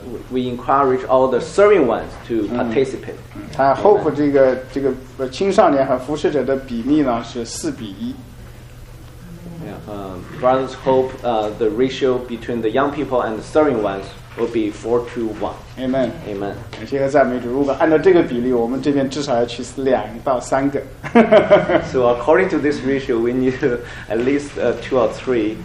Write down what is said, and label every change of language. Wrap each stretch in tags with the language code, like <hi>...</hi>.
<en>We encourage all the serving ones to participate.</en> <zh>他 hope 这个青少年和服侍者的比例呢是4:1。</zh> <en>Brothers hope the ratio between the young people and the serving ones will be 4:1. Amen. Amen.</en> <zh>感谢和赞美主。如果按照这个比例，我们这边至少要去2到3个。</zh> <en>So according to this ratio, we need at least 2 or 3.</en>